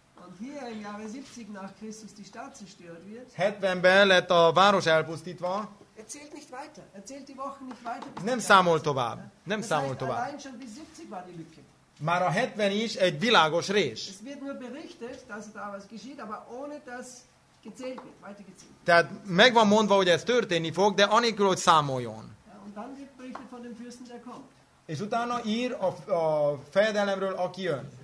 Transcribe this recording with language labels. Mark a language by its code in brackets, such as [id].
[de] und hier im Jahre 70 nach Christus die Stadt zerstört wird. [hu] 70-ben lett a város elpusztítva. [de] Erzählt nicht weiter. Erzählt die Wochen nicht weiter. [hu] Nem számol tovább. Nem számol tovább. [de] Allein schon bis 70 war die Lücke. [hu] Már a 70 is egy világos rés. [de] Es wird nur berichtet, dass da was geschieht, aber ohne dass gezählt wird, weiter gezählt. [hu] Tehát meg van mondva, hogy ez történni fog, de anélkül, hogy számoljon. [de] Ja, und dann wird berichtet von dem Fürsten, der kommt. [hu] És utána ír a fejedelemről, aki jön.